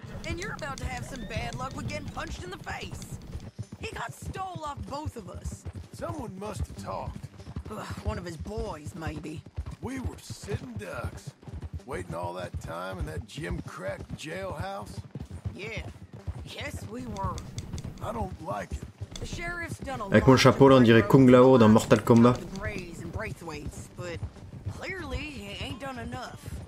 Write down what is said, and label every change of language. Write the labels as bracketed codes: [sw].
[en] And you're about to have some bad luck with getting punched in the face. He got stole off both of us. Someone must have talked. One of his boys, maybe. We were sitting ducks, waiting all that time in that gimcrack jailhouse. Yeah. Yes, we were. I don't like it. The sheriff's done a lot. [fr] Avec mon chapeau, là, on dirait Kung Lao dans Mortal Kombat. [en] The Grays and Braithwaite's, but clearly he ain't done enough.